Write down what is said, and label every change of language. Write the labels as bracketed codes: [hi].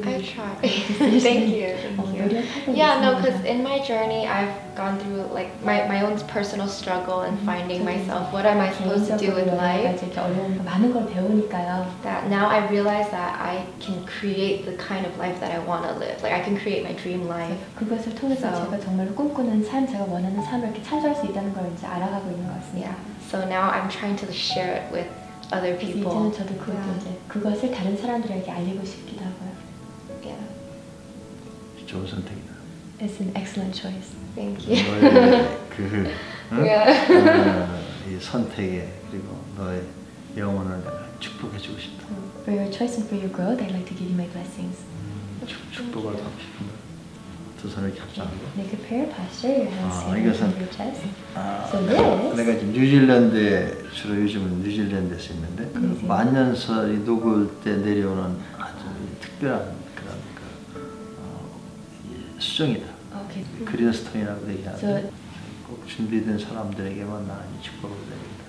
[en] good decision. Thank you. Because in my journey, I've gone through like my own personal struggle and finding myself. What am I supposed to do with life? That now I realize that I can create the kind of life that I want to live. Like I can create my dream life. [ko] 그것을 통해서 제가 정말로 꿈꾸는 삶, 제가 원하는 삶을 이렇게 찾아갈 수 있다는 걸 이제 알아가고 있는 것 같습니다. [en] So now I'm trying to share it with other people. [ko] 이제는 저도 그것을 다른 사람들에게 알리고 싶기도 하고요. [en] Yeah. [ko] 좋은 선택이다. [en] It's an excellent choice. Thank you. 그 [ko] 이 선택에 그리고 너의 영혼을 축복해 주고 싶다. [en] For your choice and for your growth, I'd like to give you my blessings. [ko] 축복을 받고 싶은데. 두 손을 겹장하고. [en] Make a prayer posture. Your hands stand on your chest. So this. [ko] 내가 지금 뉴질랜드에 주로 요즘은 뉴질랜드에서 있는데 그 만년설이 녹을 때 내려오는 아주 특별한 그런 그 수정이다. [en] Okay. [ko] 그린스톤이라고 얘기하는데. 꼭 준비된 사람들에게만 나는 축복을 내린다.